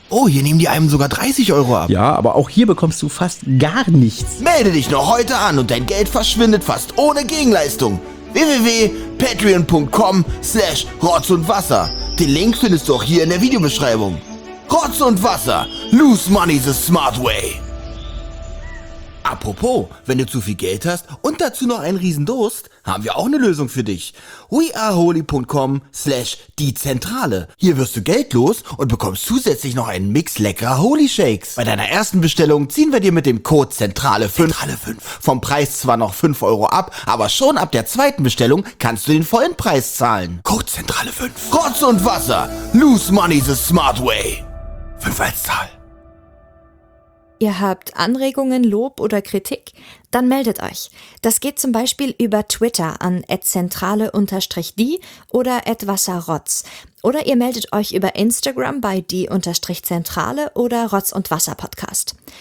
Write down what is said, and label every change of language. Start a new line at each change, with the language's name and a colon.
German: Oh, hier nehmen die einem sogar 30 Euro ab. Ja, aber auch hier bekommst du fast gar nichts. Melde dich noch heute an und dein Geld verschwindet fast ohne Gegenleistung. www.patreon.com/rotzundwasser. Den Link findest du auch hier in der Videobeschreibung. Rotz und Wasser.
English: Lose money the smart way.
German: Apropos, wenn du zu viel Geld hast und dazu noch einen Riesendurst, haben wir auch eine Lösung für dich. weareholy.com/diezentrale. Hier wirst du geldlos und bekommst zusätzlich noch einen Mix leckerer Holy Shakes. Bei deiner ersten Bestellung ziehen wir dir mit dem Code Zentrale5 vom Preis zwar noch 5 Euro ab, aber schon ab der zweiten Bestellung kannst du den vollen Preis zahlen. Code Zentrale5. Rotz und Wasser.
English: Lose money the smart way.
German: 5 als Zahl. Ihr habt Anregungen, Lob oder Kritik? Dann meldet euch. Das geht zum Beispiel über Twitter an @zentrale_die oder @wasserrotz. Oder ihr meldet euch über Instagram bei die_zentrale oder Rotz und Wasser Podcast.